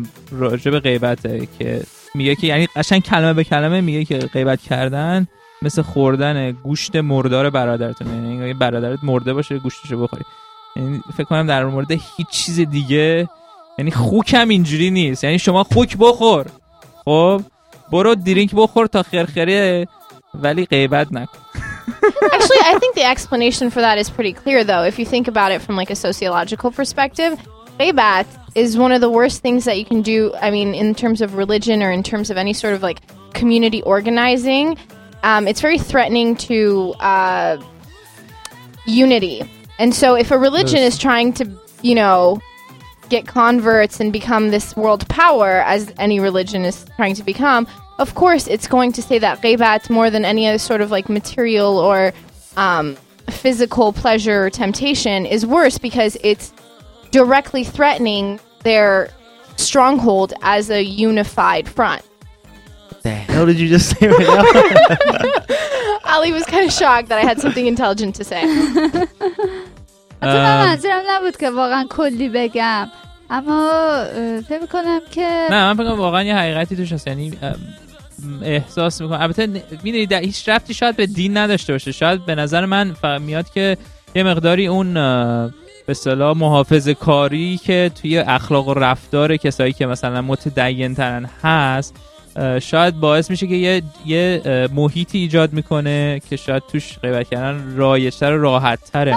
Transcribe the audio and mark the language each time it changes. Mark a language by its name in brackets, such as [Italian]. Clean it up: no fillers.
[Persian] راجع به غیبته که میگه که یعنی قشنگ کلمه به کلمه میگه که غیبت کردن مثل خوردن گوشت مردار برادرتون یعنی اگه برادرت مرده باشه گوشتشو بخوری یعنی فکر کنم در مورد هیچ چیز دیگه یعنی خوک هم اینجوری نیست یعنی شما خوک بخور خب برو درینک بخور تا خرخره ولی غیبت نکن [English] Actually I think the explanation for that is pretty clear though if you think about it from like a sociological perspective غیبت is one of the worst things that you can do I mean in terms of religion or in terms of any sort of like community organizing. It's very threatening to unity. And so if a religion is trying to, you know, get converts and become this world power, as any religion is trying to become, of course it's going to say that ghibat more than any other sort of like material or physical pleasure or temptation is worse, because it's directly threatening their stronghold as a unified front. What the hell did you just say right now? Ali was kind of shocked that I had something intelligent to say. [Persian] من منظورم نبود که واقعا کلی بگم، اما فکر کنم که نه، من فکر کنم واقعا یه حقیقتی توش هست، یعنی احساس میکنم. البته میدونید هیچ ربطی شاید به دین نداشته باشه، شاید به نظر من میاد که یه مقداری اون به اصطلاح محافظه کاری که توی اخلاق و رفتار کسایی که مثلا متدین ترن هست، شاید باعث میشه که یه محیطی ایجاد میکنه که شاید توش غیبت کردن رایج‌تر و راحت‌تره.